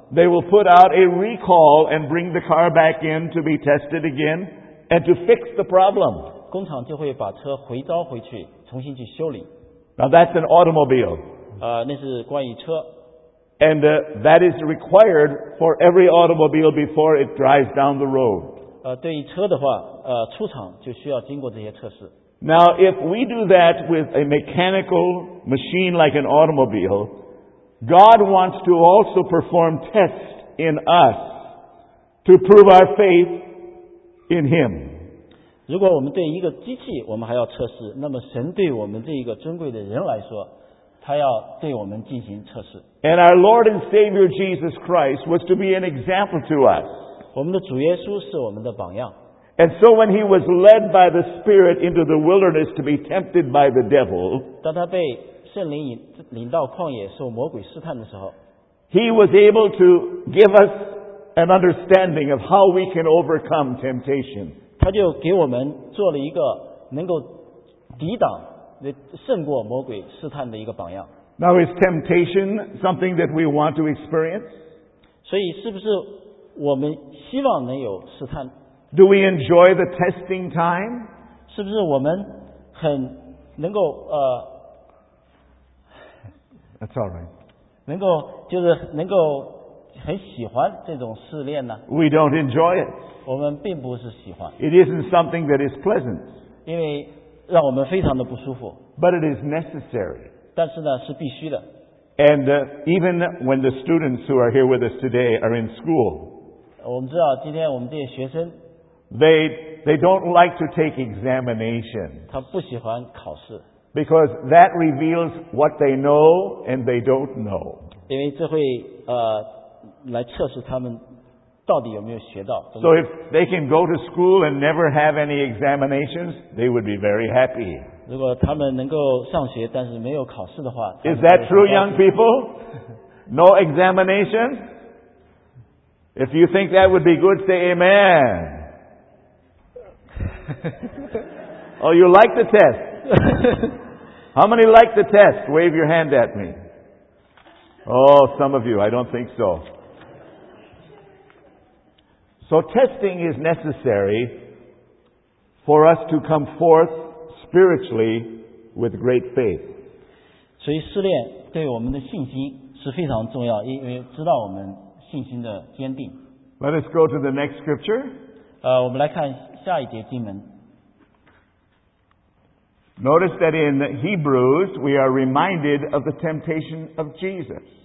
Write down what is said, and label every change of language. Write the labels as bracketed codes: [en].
[en] ,they will put out a recall and bring the car back in to be tested again and to fix the problem. [zh] 工厂就会把车回召回去重新去修理。 [en] Now that's an automobile. [zh] 那是关于车。 [en] And that is required for every automobile before it drives down the road. [zh] 对于车的话出厂就需要经过这些测试。 [en] Now if we do that with a mechanical machine like an automobile, God wants to also perform tests in us to prove our faith in Him. [zh] 如果我们对一个机器我们还要测试那么神对我们这一个尊贵的人来说他要对我们进行测试。 [en] And our Lord and Savior Jesus Christ was to be an example to us. [zh] 我们的主耶稣是我们的榜样。 [en] And so when He was led by the Spirit into the wilderness to be tempted by the devil, [zh] 当他被圣灵领到旷野受魔鬼试探的时候 [en] He was able to give us an understanding of how we can overcome temptation. [zh] 他就给我们做了一个能够抵挡胜过魔鬼试探的一个榜样。 [en] Now is temptation something that we want to experience? [zh] 所以是不是我们希望能有试探？ [en] Do we enjoy the testing time? [zh] 是不是我们很能够 [en] That's all right. [zh] 能够就是能够很喜欢这种试炼呢？ [en] We don't enjoy it. [zh] 我们并不是喜欢。 [en] It isn't something that is pleasant. [zh] 因为让我们非常的不舒服。 [en] But it is necessary. [zh] 但是呢，是必须的。 [en] And even when the students who are here with us today are in school, [zh] 我们知道今天我们这些学生 [en] they don't like to take examination. [zh] 他不喜欢考试。 [en] Because that reveals what they know and they don't know. [zh] 因为这会来测试他们到底有没有学到。 [en] So if they can go to school and never have any examinations, they would be very happy. [zh] 如果他们能够上学但是没有考试的话。 [en] Is that true, young people? No examination? If you think that would be good, say amen. Oh, you like the test. How many like the test? Wave your hand at me. Oh, some of you, I don't think so. So testing is necessary for us to come forth spiritually with great faith. [zh] 所以试炼对我们的信心是非常重要，因为知道我们信心的坚定。 [en] Let us go to the next scripture. [zh] 我们来看下一节经文。 [en] Notice that in Hebrews, we are reminded of the temptation of Jesus.